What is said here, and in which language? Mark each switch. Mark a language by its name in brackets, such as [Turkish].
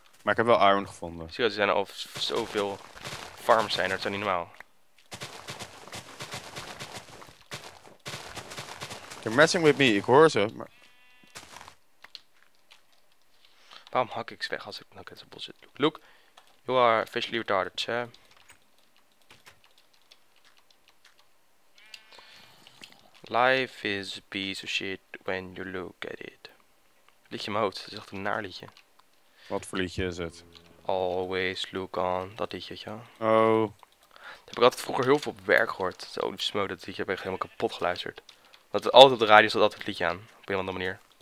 [Dutch] Maar ik heb wel iron gevonden. Zie je, er zijn al zoveel farms zijn, dat is niet normaal. [English] They're messing with me, [Dutch] ik hoor ze, maar. Waarom hak ik ze weg als ik nog in zijn bos zit? [English] Look, you are officially retarded, sir. Life is a piece of shit when you look at it. [Dutch] Liedje in mijn hoofd, dat is echt een naar liedje. Wat voor liedje is het? [English] Always look on, [Dutch] dat liedje, ja. Oh. Dat heb ik altijd vroeger heel veel op werk gehoord. Zo, die smoot, dat liedje heb ik helemaal kapot geluisterd. Want altijd op de radio zat altijd het liedje aan, op een of andere manier.